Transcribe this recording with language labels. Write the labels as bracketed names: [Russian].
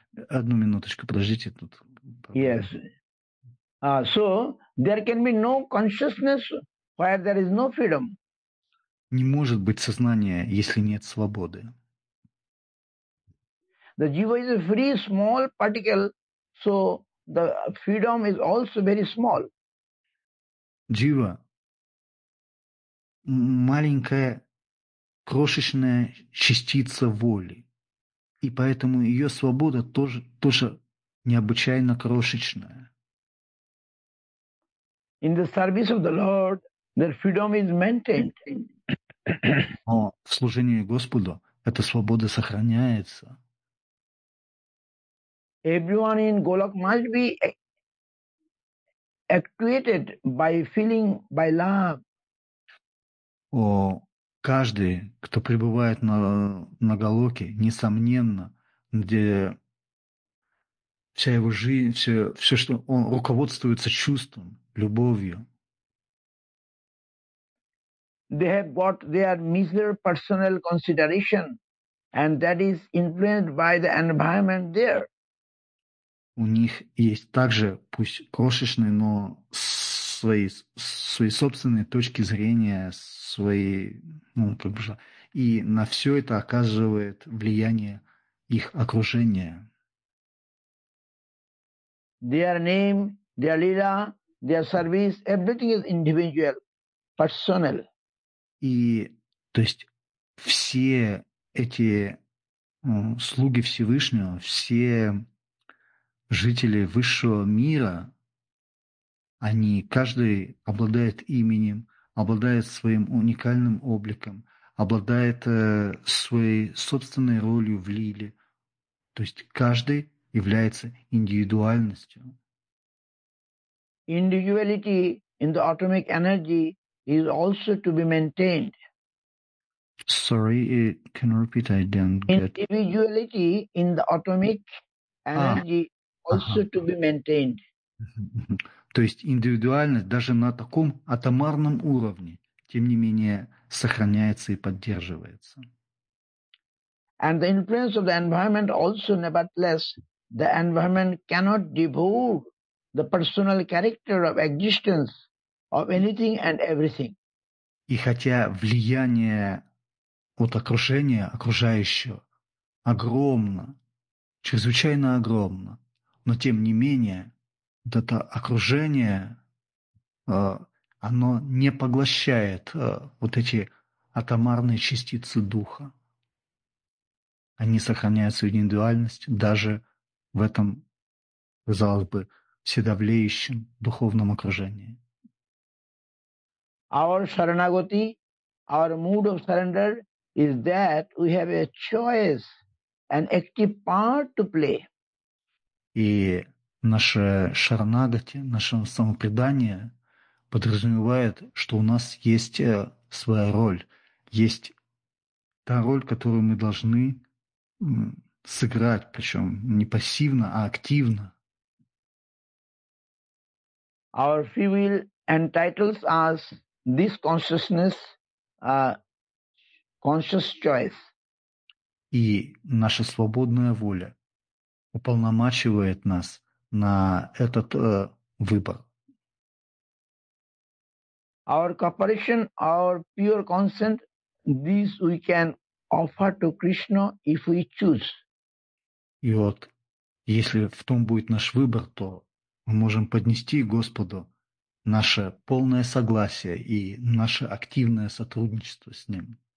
[Russian] Одну минуточку, подождите тут. [English] Yes. So there can be no consciousness where there is no freedom. [Russian] Не может быть сознания, если нет свободы. [English] The jiva is a free small particle, so the freedom is also very small. [Russian] Jiva маленькая крошечная частица воли. И поэтому ее свобода тоже необычайно крошечная. [English] In the service of the Lord, their freedom is maintained. [Russian] Но в служении Господу эта свобода сохраняется. [English] Everyone in Golok must be actuated by feeling, by love. [Russian] Каждый, кто пребывает на Голоке, несомненно, где вся его жизнь, все, что он руководствуется чувством, любовью. [English] They have got their meager personal consideration, and that is influenced by the environment there. [Russian] У них есть также, пусть крошечные, но свои собственные точки зрения, свои, ну, как бы, и на все это оказывает влияние их окружения. [English] Their name, their lila, their service, everything is individual, personal. [Russian] И, то есть, все эти слуги Всевышнего, все жители высшего мира, они, каждый обладает именем, обладает своим уникальным обликом, обладает своей собственной ролью в лиле. То есть каждый является индивидуальностью. [English] Individuality in the atomic energy is also to be maintained. Sorry, can you repeat? I didn't get. Individuality in the atomic energy also to be maintained. [Russian] То есть индивидуальность даже на таком атомарном уровне, тем не менее, сохраняется и поддерживается. [English] And the influence of the environment also, nevertheless, the environment cannot devour the personal character of existence of anything and everything. [Russian] И хотя влияние от окружения, окружающего, огромно, чрезвычайно огромно, но тем не менее, вот это окружение, оно не поглощает вот эти атомарные частицы духа. Они сохраняют свою индивидуальность даже в этом, казалось бы, вседавлеющем духовном окружении. [English] Our sharanagati, our mood of surrender is that we have a choice, an active part to play. [Russian] И наше шарнагати, наше самопредание подразумевает, что у нас есть своя роль, есть та роль, которую мы должны сыграть, причем не пассивно, а активно. [English] Our free will entitles us this consciousness, conscious choice. [Russian] И наша свободная воля уполномачивает нас на этот выбор. [English] Our cooperation, our pure consent, this we can offer to Krishna if we choose. [Russian] И вот, если в том будет наш выбор, то мы можем поднести Господу наше полное согласие и наше активное сотрудничество с Ним.